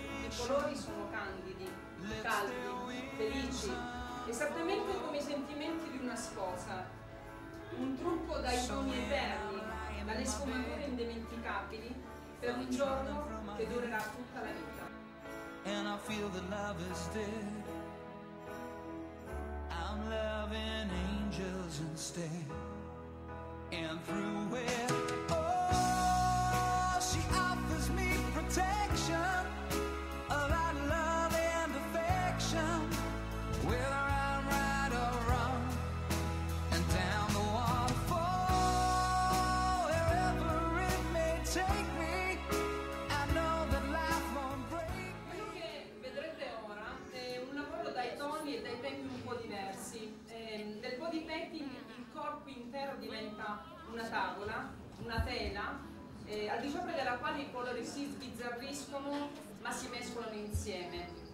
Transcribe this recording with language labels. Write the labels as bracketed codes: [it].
[it] I colori sono candidi, caldi, felici, esattamente come i sentimenti di una sposa. Un trucco dai doni eterni, dalle sfumature indimenticabili, per un giorno che durerà tutta la vita. [en] And I feel that love is dead. I'm loving angels instead. And through it, oh, she offers me protection. A lot of love and affection. Whether I'm right or wrong. And down the waterfall, wherever it may take me, I know that life won't break me. [it] Quello che vedrete ora è un lavoro dai toni e dai tempi un po' diversi. Del body painting il corpo intero diventa una tavola, una tela, al di sopra della quale i colori si sbizzarriscono ma si mescolano insieme.